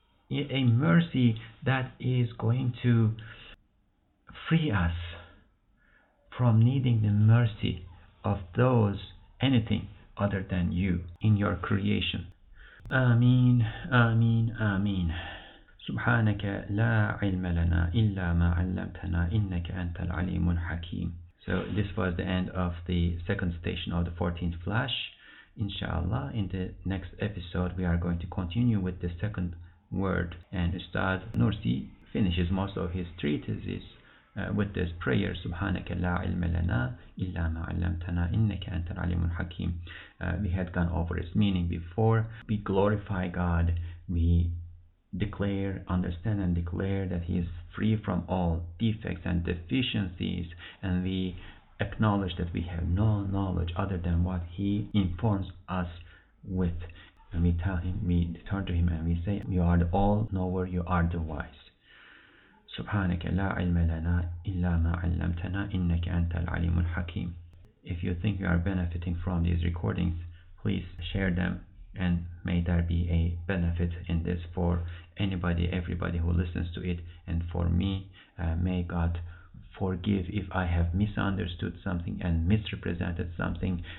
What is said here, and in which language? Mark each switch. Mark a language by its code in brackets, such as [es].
[en] a mercy that is going to free us from needing the mercy of those anything other than you in your creation. Ameen, ameen, ameen. [ar] سبحانك لا علم لنا إلا ما علمتنا إنك أنت العليم الحكيم. [en] So this was the end of the second station of the 14th flash. Inshallah, in the next episode, we are going to continue with the second word. And Ustad Nursi finishes most of his treatises with this prayer, [ar] سبحانك لا علم لنا إلا ما علمتنا إنك أنت العليم الحكيم. [en] We had gone over its meaning before. We glorify God. We declare, understand, and declare that He is free from all defects and deficiencies, and we acknowledge that we have no knowledge other than what He informs us with. And we tell Him, we turn to Him, and we say, "You are the all-knower, you are the wise." [ar] سبحانك لا علم لنا إلا ما علمتنا إنك أنت العليم الحكيم. [en] If you think you are benefiting from these recordings, please share them. And may there be a benefit in this for anybody, everybody who listens to it, and for me. May God forgive if I have misunderstood something and misrepresented something.